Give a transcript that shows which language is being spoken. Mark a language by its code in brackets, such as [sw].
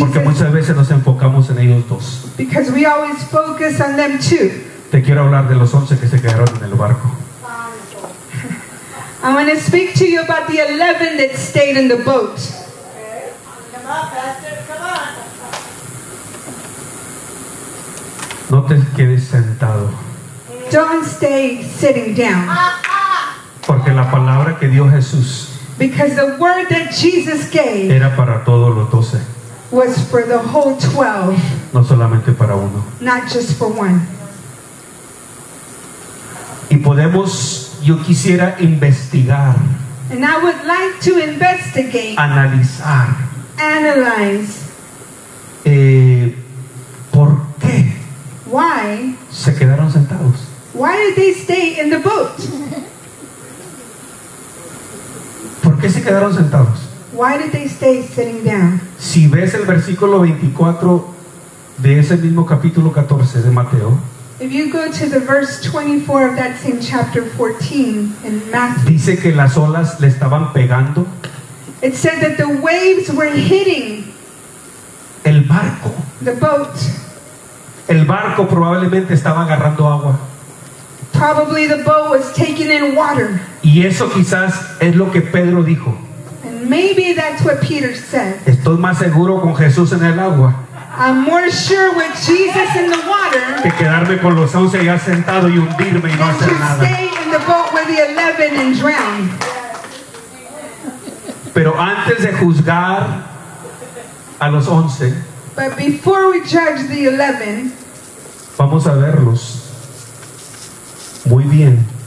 [es] Porque muchas veces nos enfocamos en ellos dos. [en] Because we always focus on them too. [es] Te quiero hablar de los 11 que se quedaron en el barco. [en] I want to speak to you about the 11 that stayed in the boat. Come on, Pastor. Come on. [es] No te quedes sentado. [en] Don't stay sitting down. [es] Porque la palabra que dio Jesús. [en] Because the word that Jesus gave. [es] Era para todos los 12. [en] Was for the whole 12. [es] No solamente para uno. [en] Not just for one. [es] Y podemos, yo quisiera investigar. [en] And I would like to investigate. [es] Analizar. [en] Analyze. [es] ¿Por qué? [en] Why? [es] Se quedaron sentados. [en] Why did they stay in the boat? [es] ¿Por qué se quedaron sentados? [en] Why did they stay sitting down? [es] Si ves el versículo 24 de ese mismo capítulo 14 de Mateo. [en] If you go to the verse 24 of that same chapter 14 in Matthew. [es] Dice que las olas le estaban pegando. [en] It said that the waves were hitting. [es] El barco. [en] The boat. [es] El barco probablemente estaba agarrando agua. [en] Probably the boat was taking in water. [es] Y eso quizás es lo que Pedro dijo. [en] And maybe that's what Peter said. [es] Estoy más seguro con Jesús en el agua. [en] I'm more sure with Jesus in the water. [es] Que quedarme con los 11 ya sentado y hundirme y no hacer nada. [en] Stay in the boat with the 11 and drown. [es] Pero antes de juzgar a los 11. [en] But before we judge the 11, [es] vamos a verlos muy bien.